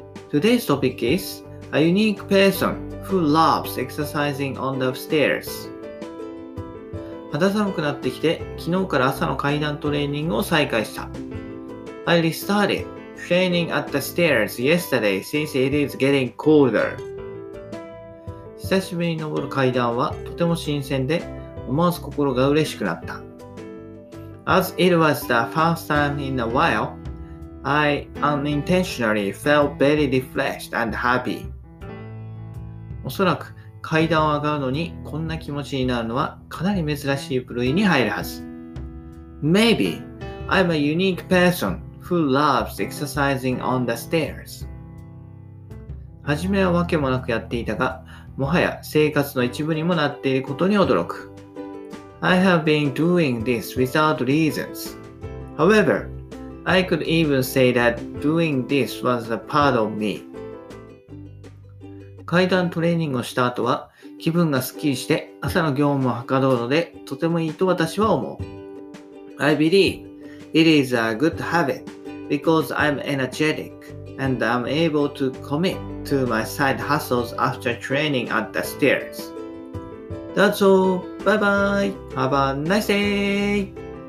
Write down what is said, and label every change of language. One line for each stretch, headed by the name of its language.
English: Today's topic is a unique person who loves exercising on the stairs.
Japanese: 肌寒くなってきて、昨日から朝の階段トレーニングを再開した。
English: I restarted training at the stairs yesterday since it is getting colder.
Japanese: 久しぶりに登る階段はとても新鮮で、思わず心が嬉しくなった。
English: As it was the first time in a while, I unintentionally felt very refreshed and happy.
Japanese: おそらく階段を上がるのにこんな気持ちになるのはかなり珍しい部類に入るはず。
English: Maybe I'm a unique person who loves exercising on the stairs.
Japanese: はじめはわけもなくやっていたが、もはや生活の一部にもなっていることに驚く。
English: I have been doing this without reasons. However, I could even say that doing this was a part of me.
Japanese: 階段トレーニングをした後は気分がすっきりして朝の業務もはかどるのでとてもいいと私は思う。
English: I believe it is a good habit because I'm energetic and I'm able to commit to my side hustles after training at the stairs. That's all. Bye bye. Have a nice day.